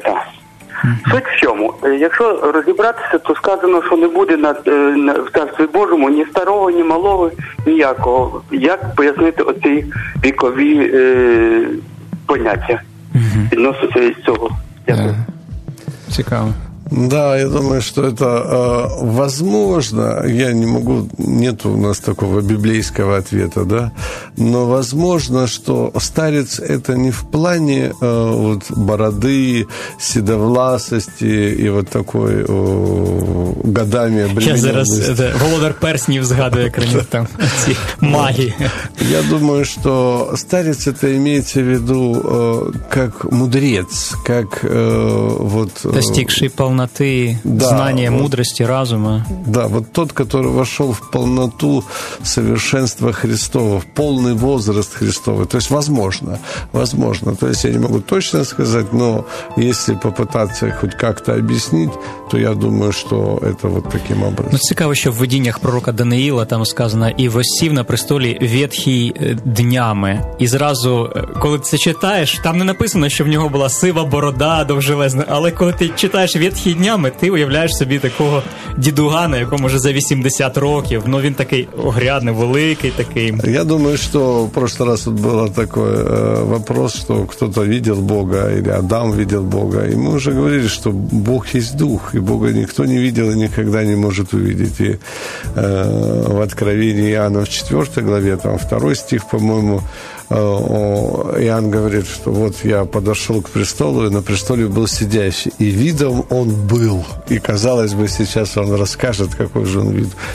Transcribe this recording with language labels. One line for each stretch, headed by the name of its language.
Ukrainian: так. Суть в чому. Якщо розібратися, то сказано, що не буде в Царстві Божому ні старого, ні малого, ніякого. Як пояснити оці вікові поняття відносно цього? Цікаво.
Russian: Да, я думаю, что это возможно. Я не могу, нет у нас такого библейского ответа, да. Но возможно, что старец это не в плане вот бороды, седовласости и вот такой годами обремененности.
Ukrainian: Я зараз Володар Перснів згадує, крім там ці маги.
Russian: Я думаю, что старец это имеется в виду как мудрец, как вот... Достигший полноты, да, знания, вот, мудрости, разума. Да, вот тот, который вошел в полноту совершенства Христова, в полный возраст Христова. То есть, возможно, возможно. То есть, я не могу точно сказать, но если попытаться хоть как-то объяснить, то я думаю, что это вот таким образом.
Ukrainian: Ну, цікаво, що в видіннях пророка Даниила там сказано, і восів на престолі ветхий днями. І зразу, коли ти це читаєш, там не написано, що в нього була сива борода довжелезна, але коли ти читаєш ветхий днями, ти уявляєш собі такого дідугана, якому вже за 80 років, ну він такий огрядний, великий такий. Я думаю, що
Russian: в прошлый раз
Ukrainian: тут було такий вопрос, що хтось видів Бога, або Адам видів Бога, і ми вже говорили, що Бог є дух, і Бога ніхто не видів і ніколи не може
Russian: увидеть. І в Откровении Иоанна в 4 главе, там 2 стих, по-моему, Иоанн говорит, что вот я подошел к престолу, и на престоле был сидящий, и видом он был. И, казалось бы, сейчас он расскажет, какой же он вид.